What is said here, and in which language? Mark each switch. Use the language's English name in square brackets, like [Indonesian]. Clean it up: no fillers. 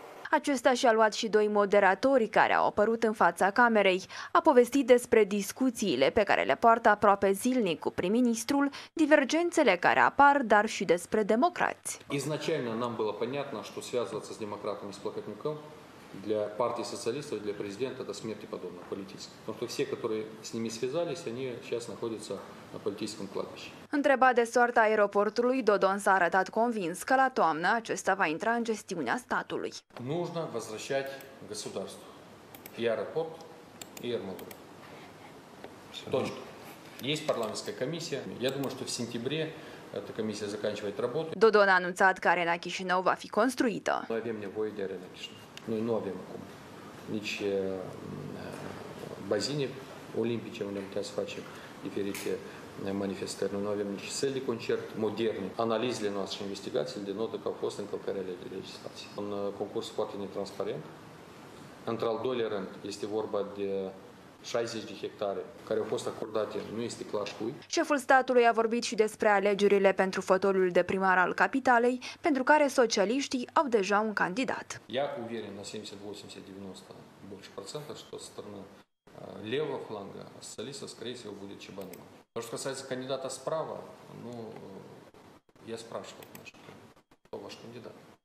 [Romanian] Acesta și-a luat și doi moderatori care au apărut în fața camerei. A povestit despre discuțiile pe care le poartă aproape zilnic cu prim-ministrul, divergențele care apar, dar și despre democrați. [Russian] Изначально нам было понятно, что связываться с демократами с Плохотнюком для партии социалистов, для президента это смерти подобно политически. Потому что все, которые с ними связались, они сейчас находятся на политическом кладбище. [Romanian] Întrebat de soarta aeroportului, Dodon s-a arătat convins că la toamnă acesta va intra în gestiunea statului. [Russian] Нужно возвращать государству и аэропорт, и аэромобиль. Точно. Есть парламентская комиссия. Я думаю, что в сентябре эта комиссия заканчивает работу. [Romanian] Dodon a anunțat că arena Chișinău va fi construită. Noi avem nevoie de arena Chișinău. Noi nu avem acum nici bazine olimpice unde am putea să facem diferite manifestări. Noi nu avem nici sale de concert moderne. Analizele noastre și investigațiile denotă că au fost încălcări ale legislației. Un concurs foarte netransparent. Într-al doilea rând este vorba de 60 de hectare care au fost acordate, nu este clar cui. Șeful statului a vorbit și despre alegerile pentru fotoliul de primar al capitalei, pentru care socialiștii au deja un candidat. [Russian] Я уверен на 70-80-90 больше процентов, что со стороны левого фланга социалистов, скорее всего, будет Чебанова. То, что касается кандидата справа, ну, я спрашивал, значит, кто ваш кандидат?